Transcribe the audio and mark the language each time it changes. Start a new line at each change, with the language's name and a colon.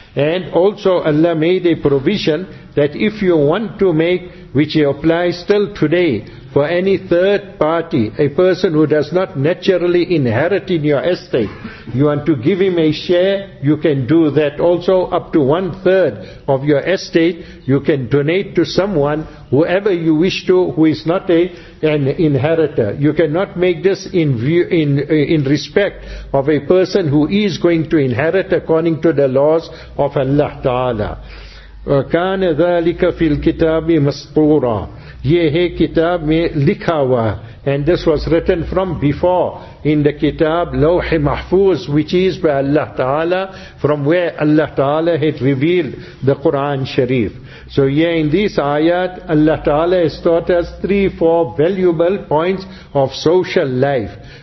English: And also Allah made a provision that if you want to make, which applies still today, for any third party, a person who does not naturally inherit in your estate, you want to give him a share, you can do that also, up to one third of your estate, you can donate to someone, whoever you wish to, who is not an inheritor. You cannot make this in respect of a person who is going to inherit according to the laws of Allah Ta'ala.
Arabic: وَكَانَ ذَلِكَ فِي الْكِتَابِ مَسْطُورًا
Urdu: یہ ہے کتاب میں لکھا ہوا.
English: And this was written from before in the kitab لوح محفوظ, which is by Allah Ta'ala, from where Allah Ta'ala had revealed the Quran Sharif. So here in this ayat, Allah Ta'ala has taught us 3-4 valuable points of social life.